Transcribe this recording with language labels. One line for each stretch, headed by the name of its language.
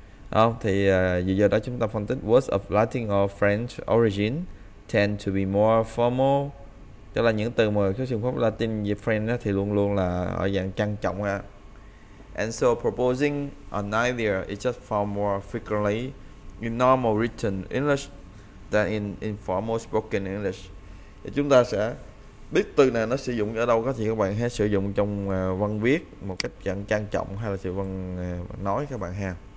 Vietnamese: Không thì giờ đó chúng ta phân tích
English: words of Latin or French origin tend to be more formal,
Vietnamese: tức là những từ mà có sử dụng Latin và French đó thì luôn luôn là ở dạng trang trọng ha.
English: And so proposing an idea is just far more frequently in normal written English than in informal spoken English.
Vietnamese: Thì chúng ta sẽ biết từ này nó sử dụng ở đâu, có thể các bạn hãy sử dụng trong văn viết một cách dạng trang trọng hay là sử văn nói các bạn ha.